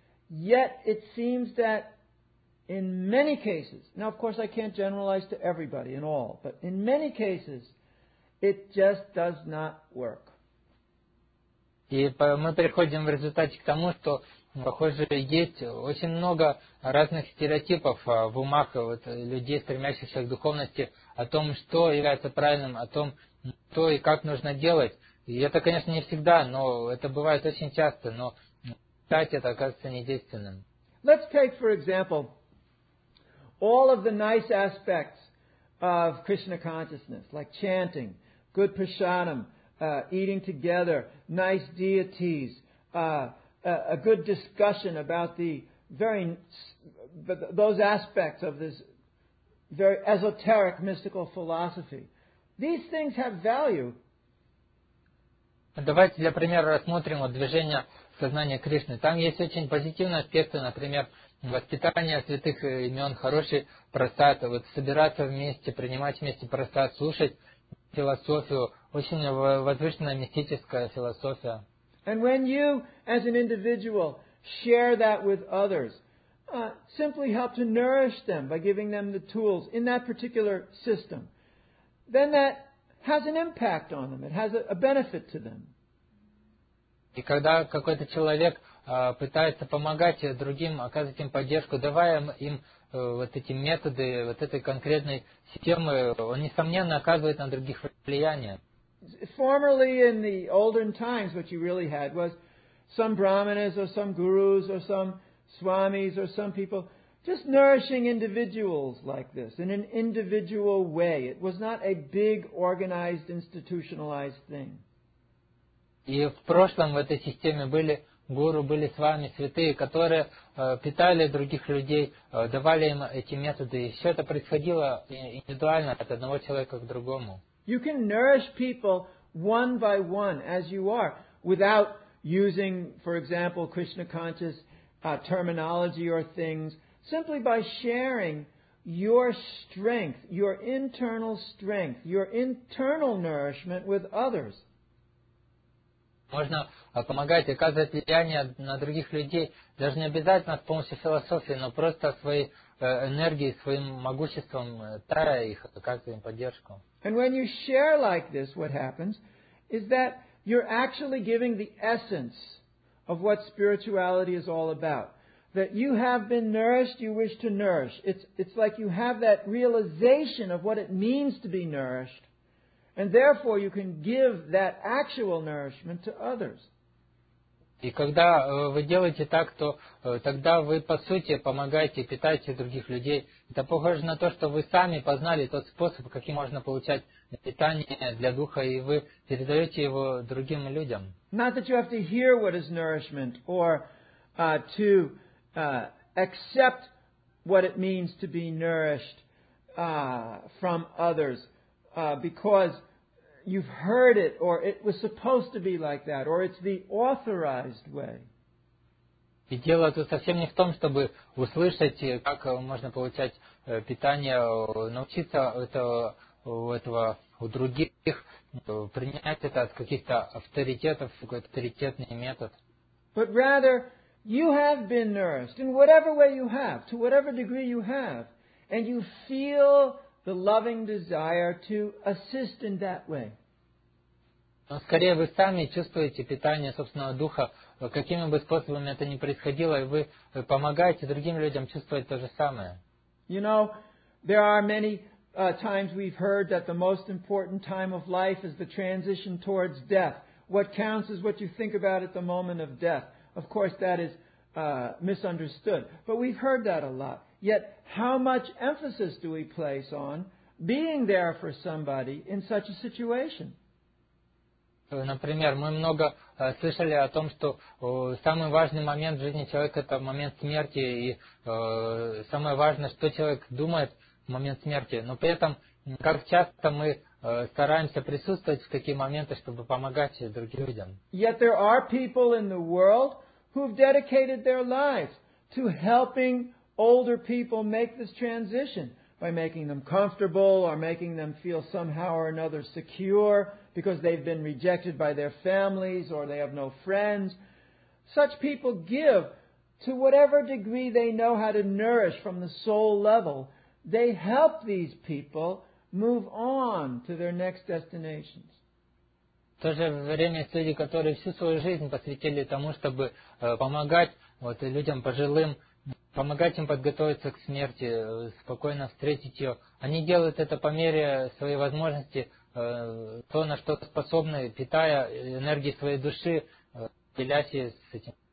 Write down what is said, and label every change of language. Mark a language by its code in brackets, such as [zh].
[en] Yet it seems that in many cases, now of course I can't generalize to everybody and all, but in many cases, it just does not work. [ru] И мы приходим в результате к тому, что, похоже, есть очень много разных стереотипов в умах вот, людей, стремящихся к духовности, о том, что является правильным, о том, что и как нужно делать. И это, конечно, не всегда, но это бывает очень часто, но читать это оказывается недейственным. [en] Let's take, for example, all of the nice aspects of Krishna consciousness, like chanting, good prasadam, eating together, nice deities, a good discussion about the very those aspects of this very esoteric mystical philosophy. These things have value. [ru] Давайте для примера рассмотрим вот движение сознания Кришны. Там есть очень позитивные аспекты, например, воспитание святых имен, хороший просад, вот собираться вместе, принимать вместе просад, слушать философию, очень возвышенная мистическая философия. [en] And when you, as an individual, share that with others, simply help to nourish them by giving them the tools in that particular system, then that has an impact on them, it has a benefit to them. [ru] И когда какой-то человек пытается помогать другим, оказывать им поддержку, давая им вот эти методы, вот этой конкретной системы, он, несомненно, оказывает на других влияние. [en] Formerly in the olden times, what you really had was some brahmanas or some gurus or some swamis or some people just nourishing individuals like this in an individual way. It was not a big organized institutionalized thing. [ru] И в прошлом в этой системе были гуру, были свами, святые, которые питали других людей, давали им эти методы. И все это происходило индивидуально от одного человека к другому. [en] You can nourish people one by one as you are without using, for example, Krishna conscious terminology or things, simply by sharing your strength, your internal strength, your internal nourishment with others. [ru] Можно помогать, оказывать влияние на других людей, даже не обязательно с помощью философии, но просто своей энергией, своим могуществом, тая их, оказывая им поддержку. [en] And when you share like this, what happens is that you're actually giving the essence of what spirituality is all about. That you have been nourished, you wish to nourish. It's like you have that realization of what it means to be nourished, and therefore you can give that actual nourishment to others. [ru] И когда вы делаете так, то тогда вы, по сути, помогаете, питаете других людей. Это похоже на то, что вы сами познали тот способ, каким можно получать питание для духа, и вы передаете его другим людям. [en] Not that you have to hear what is nourishment, or to accept what it means to be nourished from others, because you've heard it, or it was supposed to be like that, or it's the authorized way. [ru] И дело тут совсем не в том, чтобы услышать, как можно получать питание, научиться этого у других, принять это от каких-то авторитетов, какой-то авторитетный метод. [en] But rather, you have been nourished in whatever way you have, to whatever degree you have, and you feel the loving desire to assist in that way. [ru] Но скорее вы сами чувствуете питание собственного духа, какими бы способами это ни происходило, и вы помогаете другим людям чувствовать то же самое. [en] You know, there are many times we've heard that the most important time of life is the transition towards death. What counts is what you think about at the moment of death. Of course, that is misunderstood. But we've heard that a lot. Yet, how much emphasis do we place on being there for somebody in such a situation? [ru] Например, мы много слышали о том, что самый важный момент в жизни человека – это момент смерти, и самое важное, что человек думает момент смерти. Но при этом, как часто мы стараемся присутствовать в такие моменты, чтобы помогать другим людям. [en] Yet there are people in the world who've dedicated their lives to helping older people make this transition by making them comfortable or making them feel somehow or another secure because they've been rejected by their families or they have no friends. Such people give to whatever degree they know how to nourish from the soul level. They help these people move on to their next destinations. [ru] В то же время есть люди, которые всю свою жизнь посвятили тому, чтобы помогать вот, людям пожилым, помогать им подготовиться к смерти, спокойно встретить ее. Они делают это по мере своей возможности, то, на что способны, питая энергией своей души, делясь с этим.